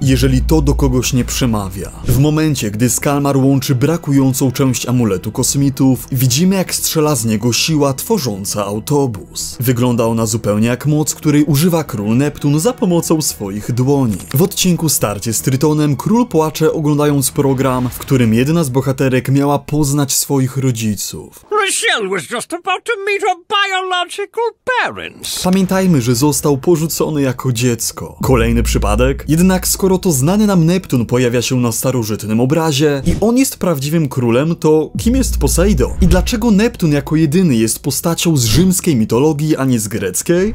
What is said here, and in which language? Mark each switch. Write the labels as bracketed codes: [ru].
[pl] Jeżeli to do kogoś nie przemawia. W momencie, gdy Skalmar łączy brakującą część amuletu kosmitów, widzimy, jak strzela z niego siła tworząca autobus. Wygląda ona zupełnie jak moc, której używa król Neptun za pomocą swoich dłoni. W odcinku Starcie z Trytonem król płacze, oglądając program, w którym jedna z bohaterek miała poznać swoich rodziców. [en] Rachelle was just about to meet her biological parents. [pl] Pamiętajmy, że został porzucony jako dziecko. Kolejny przypadek? Jednak skoro to znany nam Neptun pojawia się na starożytnym obrazie i on jest prawdziwym królem, to kim jest Posejdon? I dlaczego Neptun jako jedyny jest postacią z rzymskiej mitologii, a nie z greckiej?